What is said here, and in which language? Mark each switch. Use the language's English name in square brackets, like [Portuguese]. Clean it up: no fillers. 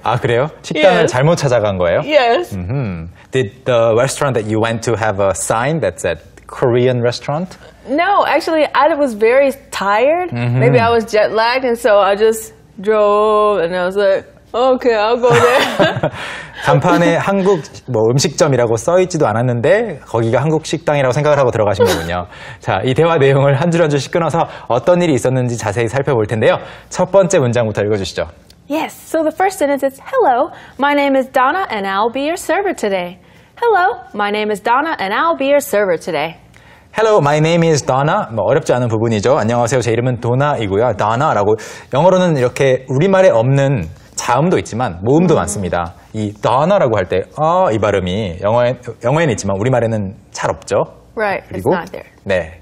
[Korean] 아 그래요? 식당을 yes. 잘못 찾아간 거예요? [English] Yes. Mm-hmm. Did the restaurant that you went to have a sign that said Korean restaurant? No, actually, I was very tired. Mm-hmm. Maybe I was jet lagged, and so I just drove, and I was like, okay, I'll go there. [Korean] 간판에 한국 뭐 음식점이라고 써 있지도 않았는데 거기가 한국 식당이라고 생각을 하고 들어가신 거군요. 자, 이 대화 내용을 한 줄 한 줄씩 끊어서 어떤 일이 있었는지 자세히 살펴볼 텐데요. 첫 번째 문장부터 읽어주시죠. [English] Yes, so the first sentence is, Hello, my name is Donna and I'll be your server today. Hello, my name is Donna and I'll be your server today. Hello, my name is Donna. [Korean] 뭐 어렵지 않은 부분이죠. 안녕하세요, 제 이름은 도나이고요. Donna라고 영어로는 이렇게 우리말에 없는 자음도 있지만 모음도 많습니다. 이 Donna라고 할 때 어, 이 발음이 영어에는 있지만 우리말에는 잘 없죠. [English] Right, [Korean] 그리고, [English] it's not there. [Korean] 네.